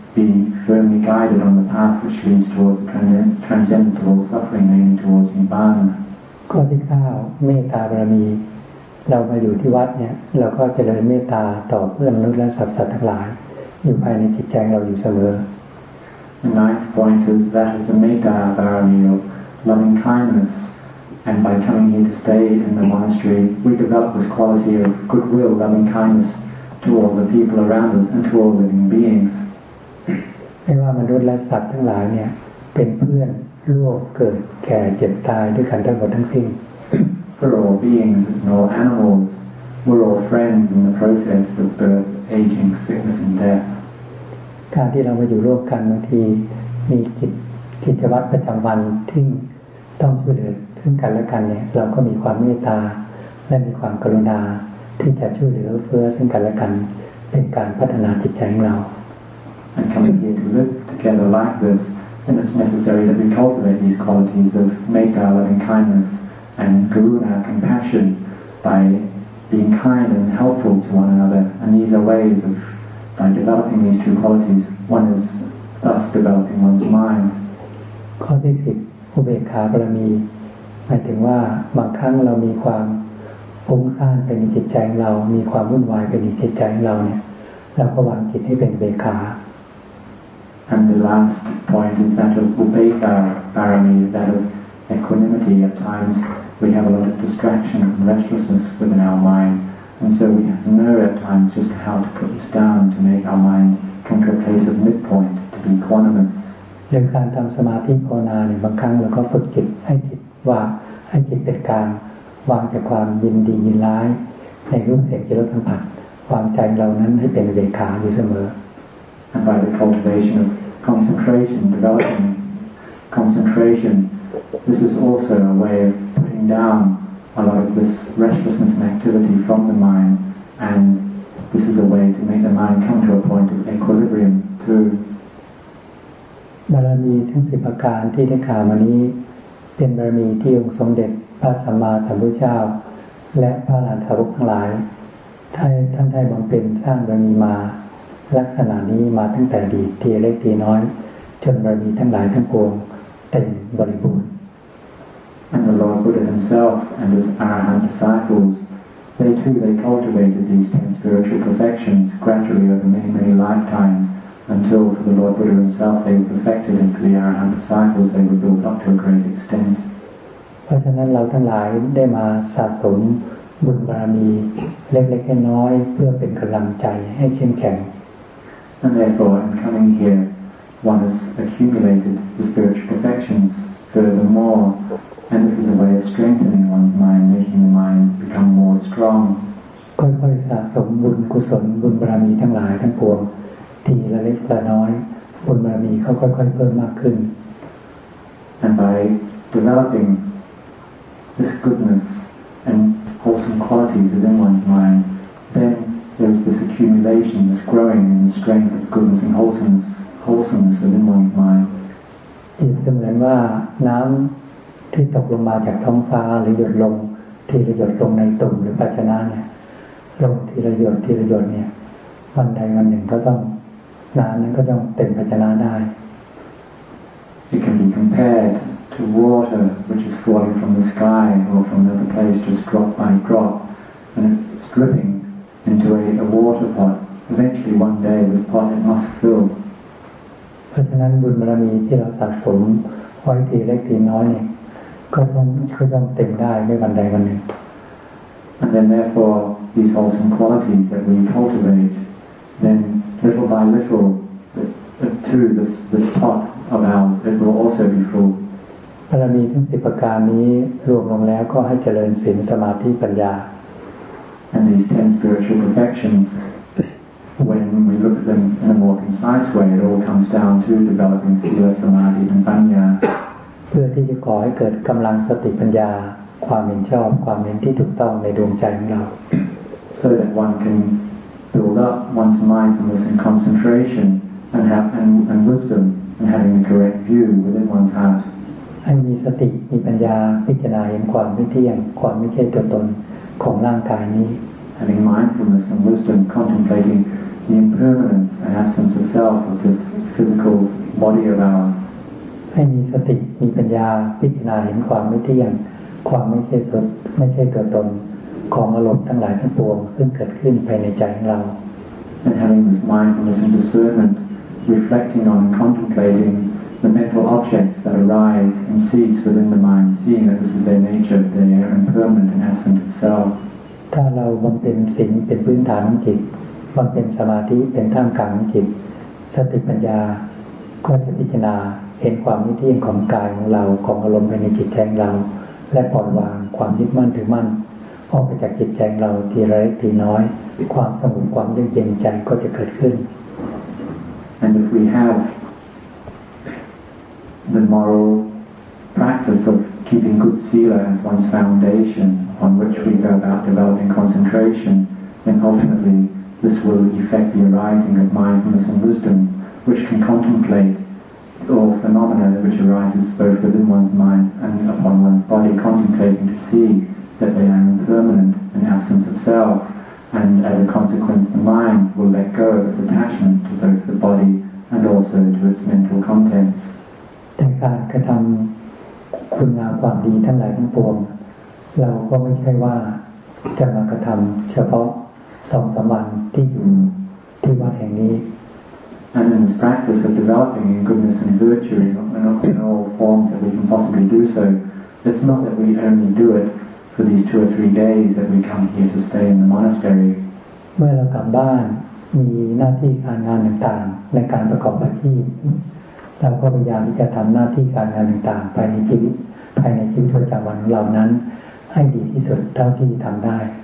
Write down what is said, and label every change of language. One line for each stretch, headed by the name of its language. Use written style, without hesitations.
English: being firmly guided on the path which leads towards the transcendental suffering, leading towards nirvana.
Thai: ข้อที่9เมตตาบารมีเรามาอยู่ที่วัดเนี่ยเราก็เจริญเมตตาต่อเพื่อนมนุษย์และสัตว์ทั้งหลายอยู่ภายในจิตใจเราอยู่เสม
English: อ The ninth point is that the metta bharani of loving kindness and by coming here to stay in the monastery we develop this quality of goodwill loving kindness to all the people around us and to all living beings
Thai: ไม่ว่ามนุษย์และสัตว์ทั้งหลายเนี่ยเป็นเพื่อนร่วมเกิดแก่เจ็บตายด้วยกันทั้งหมดทั้งสิ้น
English: For all beings and all animals, we're all friends in the process of birth, aging, sickness, and death.
Thai: การที่เรามาอยู่ร่วมกันบางทีมีกิจวัตรประจำวันที่ต้องช่วยเหลือซึ่งกันและกันเนี่ยเราก็มีความเมตตาและมีความกรุณาที่จะช่วยเหลือเฟื้อซึ่งกันและกันเป็นการพัฒนาจิตใจของเรา
English: And coming here to live together like this, then it's necessary that we cultivate these qualities of metta, loving kindness. And karuna, compassion, by being kind and helpful to one another, and these are ways of by developing these two qualities. One is thus developing one's mind.
Thai: ข้อที่สิบ อุเบกขาบารมีหมายถึงว่าบางครั้งเรามีความฟุ้งซ่านไปในจิตใจเรามีความวุ่นวายไปในจิตใจเราเนี่ยเราก็วางจิตให้เป็นอุเบกขา
English: And the last point is that of upekkha barami, that ofequanimity at times we have a lot of distraction and restlessness within our mind and so we have to know at times just how to put this down to make our mind come to a place of midpoint to be equanimous
Thai: อย่างการทำสมาธิภาวนาเนี่ยบางครั้งเราก็ฝึกจิตให้จิตว่าให้จิตเป็นกลางวางจากความยินดียินร้ายในรูปเสียงกลิ่นรสสัมผัสวางใจเรานั้นให้เป็นอุเบกขาอยู่เสม
English: อ and by the cultivation of concentration developing concentrationThis is also a way of putting down a lot of this restlessness and activity from the mind, and this is a way to make the mind come to a point of equilibrium too.
Thai: บารมีทั้ง10ประการที่ได้กล่าวมานี้เป็นบารมีที่องค์สมเด็จพระสัมมาสัมพุทธเจ้าและพระอรหันตสาวกทั้งหลายท่านได้บำเพ็ญสร้างบารมีมาลักษณะนี้มาตั้งแต่ดีทีเล็กทีน้อยจนบารมีทั้งหลายทั้งปวง
English: And the Lord Buddha himself and his Arahant disciples, they cultivated these 10 spiritual perfections gradually over many, many lifetimes until for the Lord Buddha himself they were perfected and for the Arahant disciples they were built up to a great extent.
Thai: เพราะฉะนั้นเราทั้งหลายได้มาสะสมบุญบารมีเล็กๆน้อยๆเพื่อเป็นกำลังใจให้เข้มแข็ง
English: And therefore in coming hereOne has accumulated the spiritual perfections furthermore, and this is a way of strengthening one's mind, making the mind become more strong. Slowly,
Thai: สะสมบุญกุศลบุญบารมีทั้งหลายทั้งปวงทีละเล็กละน้อยบุญบารมีเขาค่อยๆเพิ่มมากขึ้น
English: And by developing this goodness and wholesome qualities within one's mind, then there is this accumulation, this growing in the strength of goodness and wholesomeness.
Thai: เหมือนว่าน้ำที่ตกลงมาจากท้องฟ้าหรือหยดลงทีละหยดลงในตุ่มหรือภาชนะเนี่ยลงทีละหยดทีละหยดเนี่ยวันใดวันหนึ่งก็ต้องน้ำนั้นก็ต้องเต็มภาชนะได้
English: It can be compared to water which is falling from the sky or from another place just drop by drop and it's dripping into a water pot eventually one day this pot it must fill
Thai: เพราะฉะนั้นบุญบารมีที่เราสะสมไว้ทีเล็กทีน้อยเนี่ยก็ต้องเต็มได้ไม่วันใดวันหนึ่ง
English: And then therefore these wholesome qualities that we cultivate then little by little through this pot of ours it will also be full
Thai: บารมีทั้ง10ประการนี้รวมลงแล้วก็ให้เจริญศีลสมาธิปัญญา
English: And these 10 spiritual perfectionsWhen we look at them in a more concise way, it all comes down to developing sila, samadhi, and panya.
Thai: เพื่อที่จะก่อให้เกิดกำลังสติปัญญาความเห็นชอบความเห็นที่ถูกต้องในดวงใจของเรา
English: So that one can build up one's mindfulness and concentration, and have and wisdom, and having the correct view within one's heart.
Thai: ให้มีสติมีปัญญาพิจารณาเห็นความไม่เที่ยงความไม่ใช่ตัวตนของร่างกายนี้
English: Having mindfulness and wisdom, contemplating the impermanence and absence of self of this physical body of ours.
Thai: ให้มีสติมีปัญญาพิจารณาเห็นความไม่เที่ยงความไม่ใช่ตัวตนของอารมณ์ทั้งหลายทั้งปวงซึ่งเกิดขึ้นภายในใจของเรา
English: And having this mindfulness and discernment, reflecting on, contemplating the mental objects that arise and cease within the mind, seeing that this is their nature, they are impermanent and absent of self.
Thai: ถ้าเราบำเพ็ญศีลเป็นพื้นฐานของจิตบำเพ็ญสมาธิเป็นท่ามกลางจิตสติปัญญาก็จะพิจารณาเห็นความไม่เที่ยงของกายของเราของอารมณ์ภายในจิตใจของเราและปล่อยวางความยึดมั่นถือมั่นออกไปจากจิตใจของเราทีละเล็กทีน้อยความสงบความเยือกเย็นใจก็จะเกิดขึ้น
English: And if we have the moral practice of keeping good sila as one's foundation on which we go about developing concentration, then ultimately this will affect the arising of mindfulness and wisdom, which can contemplate. All phenomena which arises both within one's mind and upon one's body, contemplating to see that they are impermanent and absent of self, and as a consequence, the mind will let go of its attachment to both the body and also to its mental contents.
Thai: แต่การกระทำคุณงามความดีทั้งหลายทั้งปวงเราก็ไม่ใช่ว่าจะมากระทำเฉพาะสองสามวันที่อยู่ที่วัดแห่งนี้
English: And in this practice of developing in goodness and virtue in all forms that we can possibly do so, it's not that we only do it for these two or three days that we come here to stay in the monastery.
Thai: เมื่อเรากลับบ้านมีหน้าที่การงานต่างๆและการประกอบอาชีพเราก็พยายามที่จะทำหน้าที่การงานต่างๆภายในชีวิตประจำวันของเรานั้นให้ดีที่สุดเท่าที่ทำได้